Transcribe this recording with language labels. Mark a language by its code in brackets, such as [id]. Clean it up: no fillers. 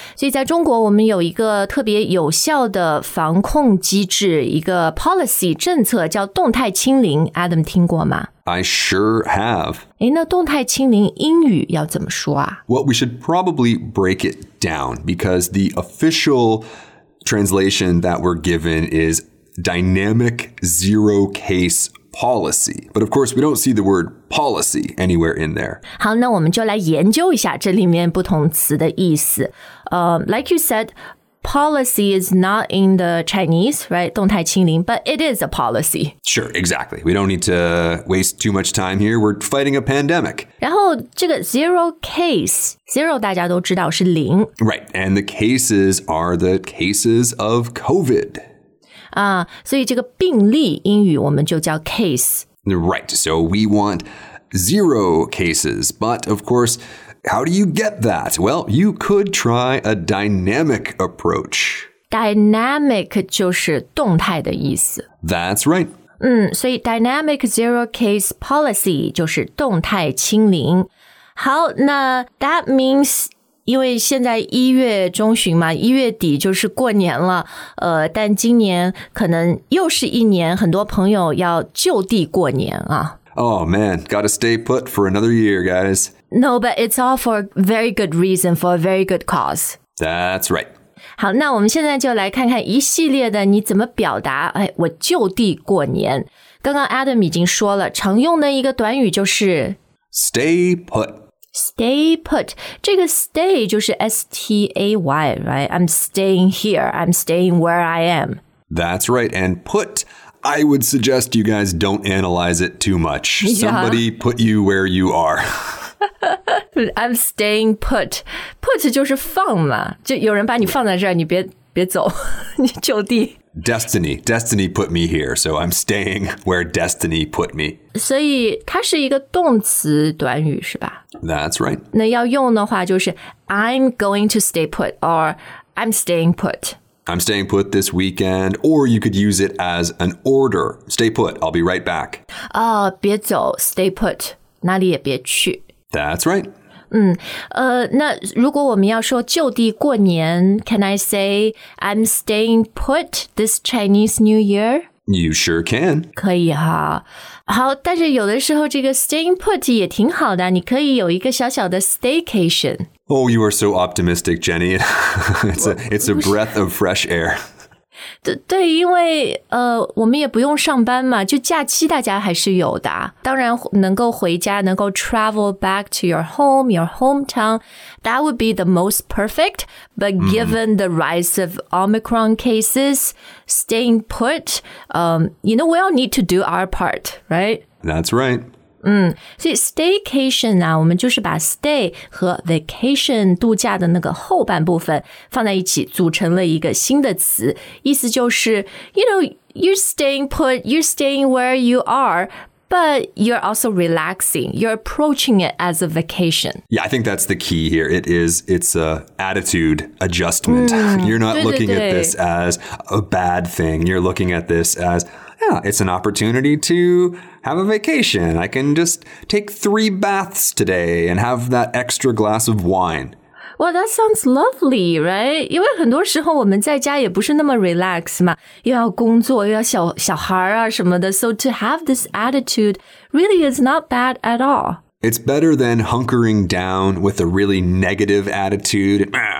[zh] 所以在中国我们有一个特别有效的防控机制，一个 policy 政策叫动态清零。 Adam 听过吗？ [en] I sure have. [zh] 那动态清零英语要怎么说啊？ [en] Well, we should probably break it down because the official translation that we're given is dynamic zero case policy. But of course, we don't see the word policy anywhere in there. [zh] 好，那我们就来研究一下这里面不同词的意思。 [en] Like you said, policy is not in the Chinese, right? [zh] 动态清零, [en] but it is a policy. Sure, exactly. We don't need to waste too much time here. We're fighting a pandemic. [zh] 然后这个 zero case, zero 大家都知道是零。 [en] Right, and the cases are the cases of COVID. [zh] 所以这个病例英语我们就叫 case. [en] Right, so we want zero cases. But of course, how do you get that? Well, you could try a dynamic approach. [zh] Dynamic 就是动态的意思。 [en] That's right. [zh] 所以 [en] dynamic zero case policy [zh] 就是动态清零。好，那 [en] that means... [zh] 因为现在一月中旬嘛，一月底就是过年了，但今年可能又是一年，很多朋友要就地过年啊。 [en] Oh man, gotta stay put for another year, guys. No, but it's all for a very good reason, for a very good cause. That's right. [zh] 好，那我们现在就来看看一系列的你怎么表达，哎，我就地过年。刚刚 Adam 已经说了，常用的一个短语就是 [en] stay put. Stay put, [zh] 这个 [en] stay [zh] 就是 [en] S-T-A-Y, right? I'm staying here, I'm staying where I am. That's right, and put, I would suggest you guys don't analyze it too much. Somebody put you where you are. I'm staying put. [zh] Put 就是放嘛，就有人把你放在这儿，你别走，你就地。 [en] Destiny. Destiny put me here, so I'm staying where destiny put me. [zh] 所以它是一个动词短语是吧? [en] That's right. [zh] 那要用的话就是 [en] I'm going to stay put or I'm staying put. I'm staying put this weekend or you could use it as an order. Stay put, I'll be right back. [zh] 别走, [en] stay put, [zh] 哪里也别去。 [en] That's right. [zh] 那如果我们要说就地过年 [en] can I say I'm staying put this Chinese New Year? You sure can. [zh] 可以哈。好，但是有的时候这个 staying put 也挺好的，你可以有一个小小的 staycation. [en] Oh, you are so optimistic, Jenny. It's a breath of fresh air. [zh] 对，因为我们也不用上班嘛，就假期大家还是有的。当然能够回家，能够 [en] travel back to your home, your hometown, that would be the most perfect. But given the rise of Omicron cases, staying put, you know, we all need to do our part, right? That's right. [zh] 所以 staycation 啊，我们就是把 stay 和 vacation 度假的那个后半部分放在一起，组成了一个新的词，意思就是 [en] you know, you're staying put, you're staying where you are, but you're also relaxing, you're approaching it as a vacation. Yeah, I think that's the key here. It's an attitude adjustment. You're not looking at this as a bad thing, you're looking at this asYeah, it's an opportunity to have a vacation. I can just take 3 baths today and have that extra glass of wine. Well, that sounds lovely, right? [zh] 因为很多时候我们在家也不是那么 relax 嘛，又要工作，又要小孩啊什么的。 [en] So to have this attitude really is not bad at all. It's better than hunkering down with a really negative attitude.